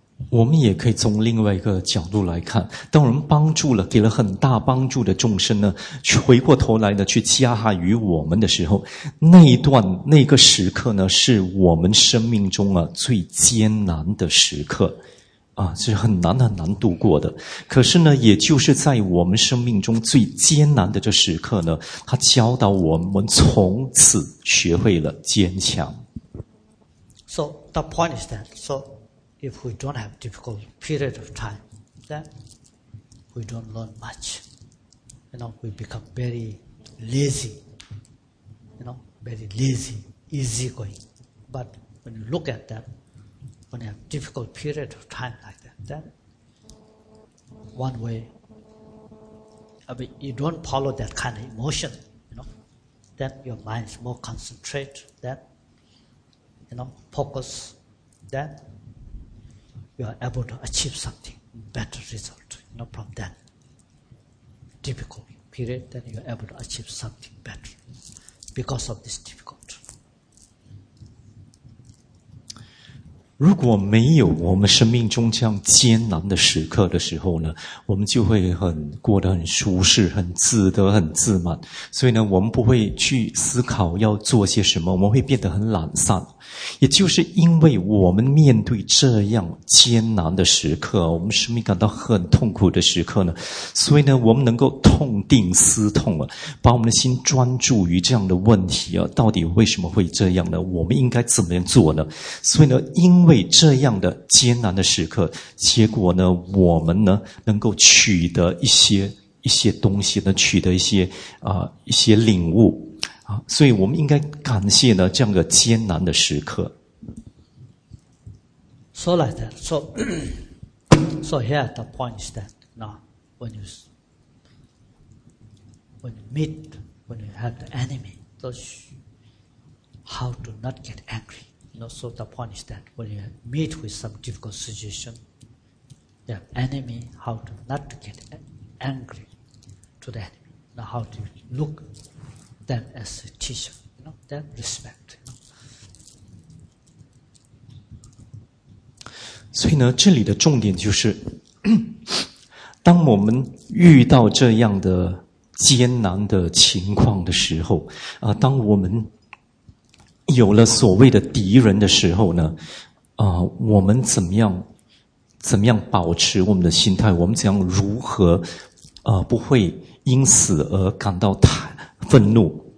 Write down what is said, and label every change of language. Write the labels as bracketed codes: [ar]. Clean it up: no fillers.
[zh] 我们也可以从另外一个角度来看，当我们帮助了，给了很大帮助的众生呢，回过头来呢，去加害于我们的时候，那一段，那个时刻呢，是我们生命中啊，最艰难的时刻。啊，是很难很难度过的。可是呢，也就是在我们生命中最艰难的这时刻呢，他教导我们从此学会了坚强。 [en] So, the point is that, so,If we don't have difficult period of time, then we don't learn much. You know, we become very lazy. You know, very lazy, easygoing. But when you look at that, when you have difficult period of time like that, then one way, I mean, you don't follow that kind of emotion, you know, then your mind is more concentrated, then, you know, focus, then,You are able to achieve something better result, you know, from that difficult period. Then you are able to achieve something better because of this difficult. [zh] 如果没有我们生命中这样艰难的时刻的时候呢，我们就会很过得很舒适、很自得、很自满。所以呢，我们不会去思考要做些什么，我们会变得很懒散。也就是因为我们面对这样艰难的时刻，我们生命感到很痛苦的时刻呢，所以呢，我们能够痛定思痛啊，把我们的心专注于这样的问题啊，到底为什么会这样呢？我们应该怎么样做呢？所以呢，因为这样的艰难的时刻，结果呢，我们呢能够取得一些东西呢，取得一些领悟。所以我们应该感谢呢这样的艰难的时刻。 [en] So like that. So here the point is that now when you have the enemy, how to not get angry? You know, so the point is that when you meet with some difficult situation, the enemy, how to not get angry to the enemy? Now how to look. Them as a teacher, you know, them respect, you know. [zh] 所以呢，这里的重点就是，当我们遇到这样的艰难的情况的时候，当我们有了所谓的敌人的时候呢，我们怎么样保持我们的心态？我们怎样如何，不会因此而感到太愤怒？